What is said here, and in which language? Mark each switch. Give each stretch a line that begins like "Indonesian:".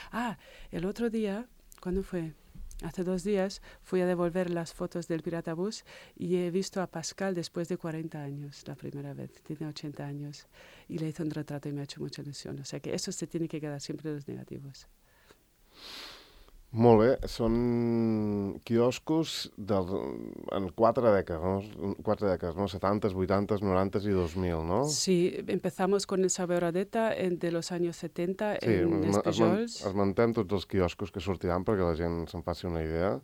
Spanish: Ah, el otro día, ¿cuándo fue? Hace 2 días fui a devolver las fotos del Pirata Bus y he visto a Pascal después de 40 años, la primera vez, tiene 80 años, y le hice un retrato y me ha hecho mucha ilusión. O sea que eso se tiene que quedar siempre en los negativos.
Catalan: Molt bé, són quioscos en 4 dècades, no? 4 dècades, no? 70, 80, 90 i 2000, no?
Spanish: Sí, empezamos con el Saber Odeta de los años 70, sí, en Espejols.
Catalan: Sí, es mantén tots els quioscos que sortiran perquè la gent se'n faci una idea.